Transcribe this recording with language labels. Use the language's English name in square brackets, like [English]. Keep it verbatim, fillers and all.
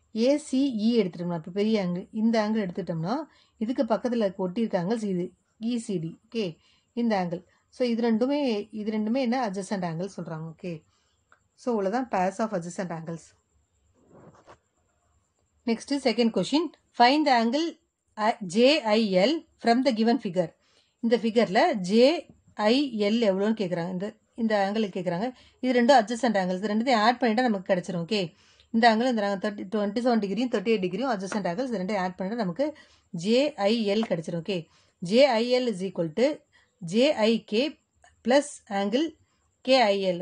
[Tamil] ACE எடுத்துட்டோம்னா இப்போ பெரிய ஆங்கிள், இந்த ஆங்கிள் எடுத்துட்டோம்னா இதுக்கு பக்கத்தில் ஒட்டியிருக்க ஆங்கிள்ஸ் இது இசிடி. ஓகே, இந்த ஆங்கிள். ஸோ இது ரெண்டுமே இது ரெண்டுமே என்ன adjacent ஆங்கிள் சொல்கிறாங்க. ஓகே, ஸோ இவ்வளோதான் [English] pairs of adjacent angles. Next second question. Find the angle J I L from the given figure. [Tamil] இந்த ஃபிகரில் J I L எவ்வளோன்னு கேட்குறாங்க. இந்த இந்த ஆங்கிளுக்கு கேட்குறாங்க. இது ரெண்டும் adjacent ஆங்கிள்ஸ், இது ரெண்டுத்தையும் ஆட் பண்ணிட்டால் நமக்கு கிடச்சிரும். ஓகே, இந்த ஆங்கிள் இந்த நாங்கள் thirty twenty seven டிகிரியும் thirty eight டிகிரியும் adjacent angles, இது ரெண்டையும் ஆட் பண்ணிட்டால் நமக்கு J I L கிடச்சிரும். [English] Okay, J I L is equal to J I K plus angle K I L.